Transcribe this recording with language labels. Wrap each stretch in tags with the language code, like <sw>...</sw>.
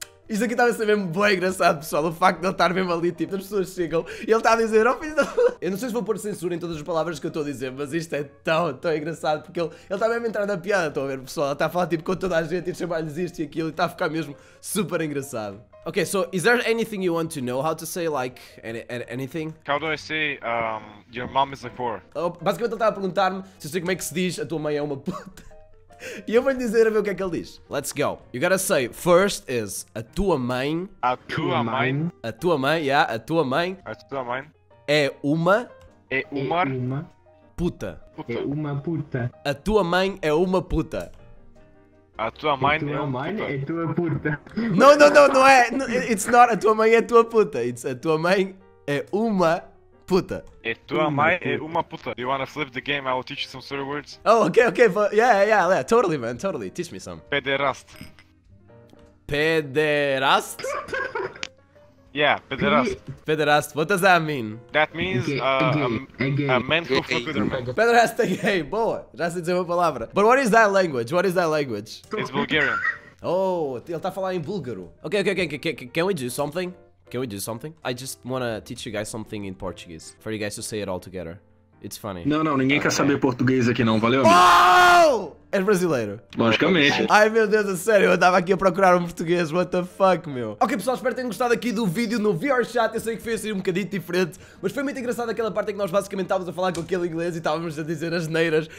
<pt>Isto aqui estava a ser mesmo bem engraçado, pessoal. O facto de ele estar mesmo ali, tipo, as pessoas chegam e ele está a dizer, oh filho da puta. Eu não sei se vou pôr censura em todas as palavras que eu estou a dizer, mas isto é tão, tão engraçado, porque ele está mesmo a entrar na piada, estão a ver, pessoal. Ele está a falar, tipo, com toda a gente e chamar-lhes isto e aquilo e está a ficar mesmo super engraçado.</pt> <en>Ok, so, is there anything you want to know how to say, like, anything? How do I say, your mom is a whore?</en> <pt>Basicamente ele estava a perguntar-me se eu sei como é que se diz a tua mãe é uma puta. E eu vou-lhe dizer a ver o que é que ele diz.</pt> <en>Let's go. You gotta say, first is,</en> <pt>a tua mãe... A tua mãe... A tua mãe,</pt> <en>yeah,</en> <pt>a tua mãe... A tua mãe... É uma... É uma... Puta. Puta. É uma puta. A tua mãe é uma puta. A tua mãe é uma puta. É tua puta. Não é.</pt> <en>It's not</en> <pt>a tua mãe é tua puta.</pt> <en>It's a</en> <pt>tua mãe é uma puta. E tu amai uma puta.</pt> <en>You wanna flip the game? I will teach you some swear words. Oh, okay, okay, but yeah, totally, man, totally. Teach me some. Pederast. Pederast? Yeah, pederast. Pederast, what does that mean? That means a man who fuck with her man. Pederast, hey,</en> <pt>boa. Já sei dizer uma palavra.</pt> <en>But what is that language? What is that language? It's Bulgarian. Oh,</en> <pt>ele tá falando em búlgaro.</pt> <en>Okay, can we do something? Can we do something? I just wanna teach you guys something in Portuguese. For you guys to say it all together. It's funny.</en> <pt>Não, ninguém quer saber português aqui não, valeu? Oh! É brasileiro. Logicamente. Ai meu Deus, é sério, eu andava aqui a procurar um português,</pt> <en>what the fuck,</en> <pt>meu. Ok pessoal, espero que tenham gostado aqui do vídeo no VR chat. Eu sei que foi assim um bocadinho diferente, mas foi muito engraçado aquela parte em que nós basicamente estávamos a falar com aquele inglês e estávamos a dizer as neiras.</pt>